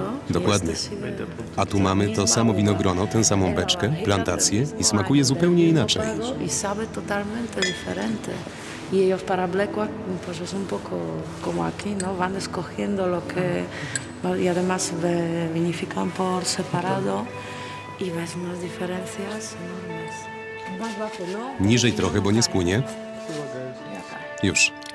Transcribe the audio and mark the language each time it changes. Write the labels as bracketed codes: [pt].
[pl] Dokładnie. A tu mamy to samo winogrono, tę samą beczkę, plantację i smakuje zupełnie inaczej. [es] I sabe totalmente diferente. Y ellos para Blecua, pues es un poco como aquí, ¿no? Van escogiendo lo que... Y además se vinifican por separado y ves unas diferencias enormes. Más bajo, ¿no? [pl] Niżej trochę, bo nie spłynie. Już.